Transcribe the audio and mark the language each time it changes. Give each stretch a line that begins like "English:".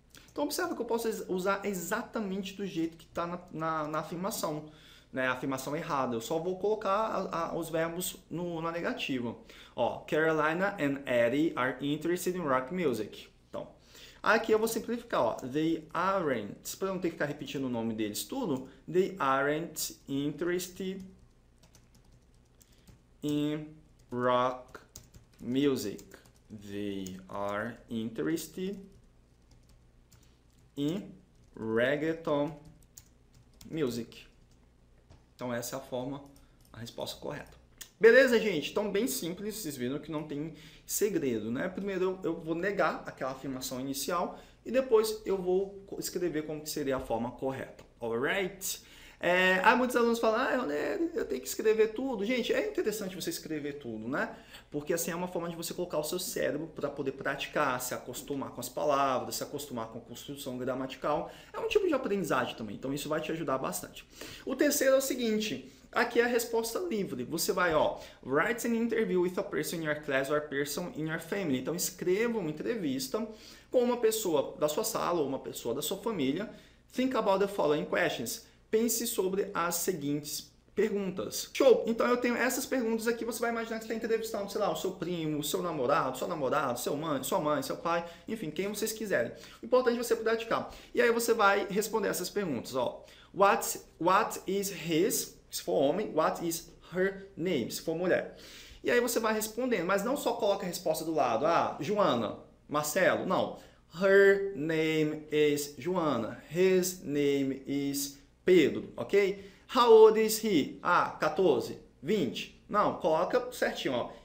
Portuguese: Então observa que eu posso usar exatamente do jeito que está na afirmação. Né, a afirmação errada, eu só vou colocar os verbos na negativa.
English: Ó, Carolina and Eddie are interested in rock music.
Portuguese: Então, aqui eu vou simplificar, ó.
English: They aren't,
Portuguese: para não ter que ficar repetindo o nome deles tudo,
English: they aren't interested in rock music. They are interested in reggaeton music.
Portuguese: Então, essa é a forma, a resposta correta. Beleza, gente? Então, bem simples. Vocês viram que não tem segredo, né? Primeiro, eu vou negar aquela afirmação inicial e depois eu vou escrever como que seria a forma correta. Alright? Muitos alunos falam, eu tenho que escrever tudo. Gente, é interessante você escrever tudo, né? Porque assim é uma forma de você colocar o seu cérebro para poder praticar, se acostumar com as palavras, se acostumar com a construção gramatical. É um tipo de aprendizagem também, então isso vai te ajudar bastante. O terceiro é o seguinte, aqui é a resposta livre.
English: Você vai, ó, write an interview with a person in your class or a person in your family.
Portuguese: Então escreva uma entrevista com uma pessoa da sua sala ou uma pessoa da sua família.
English: Think about the following questions.
Portuguese: Pense sobre as seguintes perguntas.
English: Show!
Portuguese: Então eu tenho essas perguntas aqui, você vai imaginar que você está entrevistando, sei lá, o seu primo, o seu namorado, sua namorada, sua mãe, seu pai, enfim, quem vocês quiserem. O importante é você praticar. E aí você vai responder essas perguntas, ó.
English: What is his,
Portuguese: se for homem,
English: what is her name,
Portuguese: se for mulher. E aí você vai respondendo, mas não só coloca a resposta do lado, ah, Joana, Marcelo, não.
English: Her name is Joana, his name is Pedro, ok? How old is he?
Portuguese: Ah, 14, 20. Não, coloca certinho, ó.